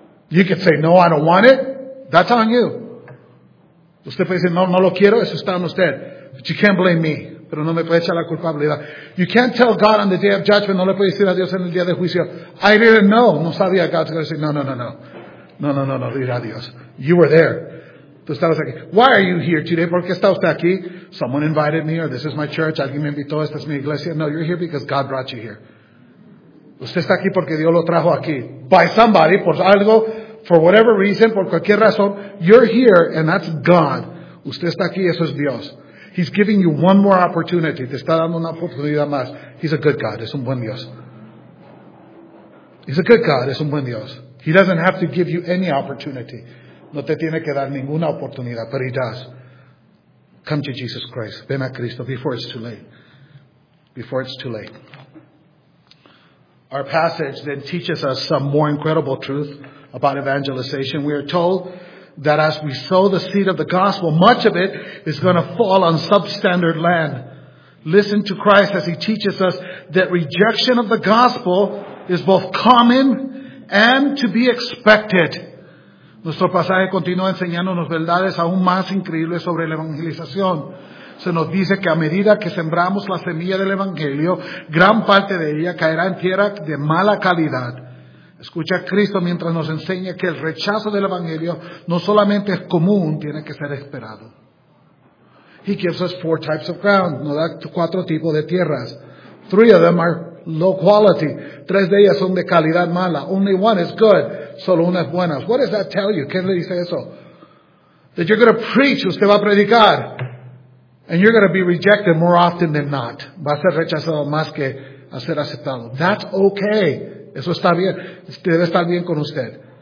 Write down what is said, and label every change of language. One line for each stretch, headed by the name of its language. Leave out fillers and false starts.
English: You could say, no, I don't want it. That's on you.
Spanish: Usted puede decir, no lo quiero. Eso está en usted.
English: But you can't blame me.
Spanish: Pero no me puede echar la culpabilidad.
English: You can't tell God on the day of judgment,
Spanish: no le puede decir a Dios en el día de juicio,
English: I didn't know.
Spanish: No sabía.
English: God's going to say, no.
Spanish: No, dile a Dios.
English: You were there.
Spanish: Tú estabas aquí.
English: Why are you here today?
Spanish: ¿Por qué está usted aquí?
English: Someone invited me, or this is my church.
Spanish: Alguien me invitó, esta es mi iglesia.
English: No, you're here because God brought you here.
Spanish: Usted está aquí porque Dios lo trajo aquí.
English: By somebody,
Spanish: por algo,
English: for whatever reason,
Spanish: por cualquier razón,
English: you're here and that's God.
Spanish: Usted está aquí, eso es Dios.
English: He's giving you one more opportunity.
Spanish: Te está dando una oportunidad más.
English: He's a good God.
Spanish: Es un buen Dios.
English: He's a good God. Es un buen Dios. He doesn't have to give you any opportunity.
Spanish: No te tiene que dar ninguna oportunidad.
English: But he does. Come to Jesus Christ.
Spanish: Ven a Cristo
English: before it's too late. Before it's too late. Our passage then teaches us some more incredible truth about evangelization. We are told that as we sow the seed of the gospel, much of it is going to fall on substandard land. Listen to Christ as he teaches us that rejection of the gospel is both common and to be expected.
Spanish: Nuestro pasaje continúa enseñándonos verdades aún más increíbles sobre la evangelización. Se nos dice que a medida que sembramos la semilla del evangelio, gran parte de ella caerá en tierra de mala calidad. Escucha a Cristo mientras nos enseña que el rechazo del evangelio no solamente es común, tiene que ser esperado.
English: He gives us four types of ground.
Spanish: Nos da cuatro tipos de tierras.
English: Three of them are low quality.
Spanish: Tres de ellas son de calidad mala.
English: Only one is good.
Spanish: Solo una es buena.
English: What does that tell you?
Spanish: ¿Qué le dice eso?
English: That you're going to preach.
Spanish: Usted va a predicar.
English: And you're going to be rejected more often than not.
Spanish: Va a ser rechazado más que a ser aceptado.
English: That's okay.
Spanish: Eso está bien. Debe estar bien con usted.